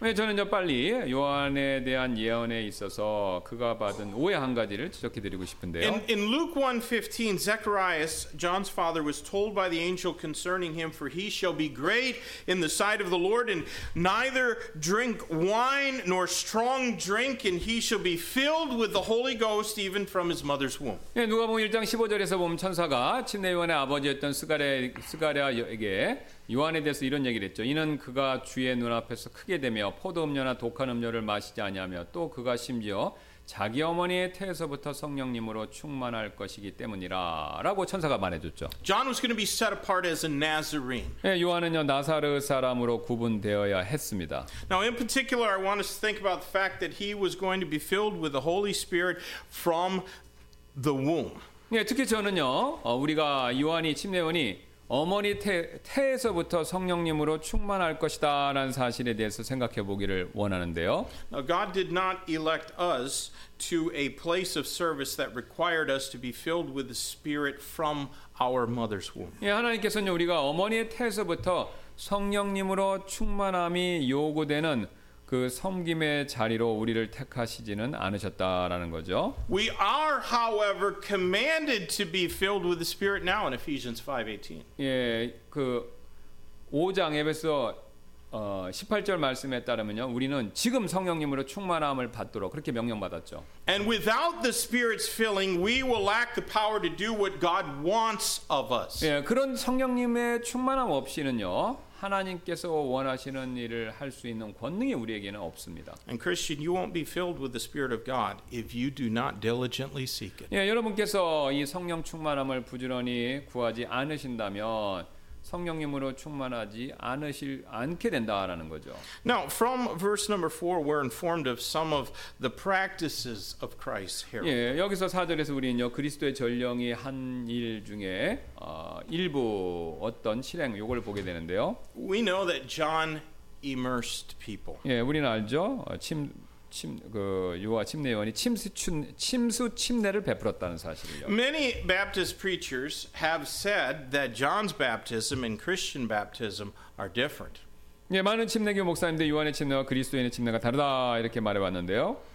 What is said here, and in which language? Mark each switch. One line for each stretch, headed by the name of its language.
Korean: 저는 빨리 요한에 대한 예언에 있어서 대해서 그가 받은 오해 한 가지를 지적해 드리고 싶은데요.
English: In Luke 1:15, Zacharias, John's father, was told by the angel concerning him, for he shall be great in the sight of the Lord, and neither drink wine nor strong drink, and he shall be filled with the Holy Ghost even from his mother's womb.
Korean: 예, 누가복음 1장 15절에서 보면 천사가 침례 요한의 아버지였던 스가랴에게 요한에 대해서 이런 얘기를 했죠. 이는 그가 주의 눈앞에서 크게 되며 포도음료나 독한 음료를 마시지 아니하며 또 그가 심지어 자기 어머니의 태에서부터 성령님으로 충만할 것이기 때문이라 라고 천사가 말해줬죠.
English: John was going to be set apart as a Nazarene.
Korean: 예, 요한은요 나사르 사람으로 구분되어야 했습니다.
English: Now in particular I want us to think about the fact that he was going to be filled with the Holy Spirit from the womb.
Korean: 예, 특히 저는요 우리가 요한이 침례원이 어머니 태에서부터 성령님으로 충만할 것이다라는 사실에 대해서 생각해 보기를 원하는데요.
English: Now God did not elect us to a place of service that required us to be filled with the Spirit from our mother's womb.
Korean: 예, 하나님께서는 우리가 어머니 태에서부터 성령님으로 충만함이 요구되는 그 섬김의 자리로 우리를 택하시지는 않으셨다라는 거죠.
English: We are, however, commanded to be filled with the Spirit now in Ephesians 5:18.
Korean: 예, 그 5장 에베소 18절 말씀에 따르면요, 우리는 지금 성령님으로 충만함을 받도록 그렇게 명령받았죠.
English: And without the Spirit's filling, we will lack the power to do what God wants of us.
Korean: 예, 그런 성령님의 충만함 없이는요. 하나님께서 원하시는 일을 할 수 있는 권능이 우리에게는 없습니다.
English: And Christian, you won't be filled with the Spirit of God if you do not diligently seek it.
Korean: 예, 여러분께서 이 성령 충만함을 부지런히 구하지 않으신다면 성령님으로 충만하지 않으실 않게 된다라는 거죠.
English: Now, from verse number 4, we're informed of some of the practices of Christ's herald.
Korean: 예, 여기서 4절에서 우리는요, 그리스도의 전령이 한 일 중에 일부 어떤 실행 요걸 보게 되는데요.
English: We know that John immersed people.
Korean: 예, 우리는 알죠. 요아 침례원이 침수 침례를 베풀었다는 사실이요.
English: Many Baptist preachers have said that John's baptism and Christian baptism are different.
Korean: 예, 많은 침례교 목사님들 요한의 침례와 그리스도인의 침례가 다르다 이렇게 말해 봤는데요.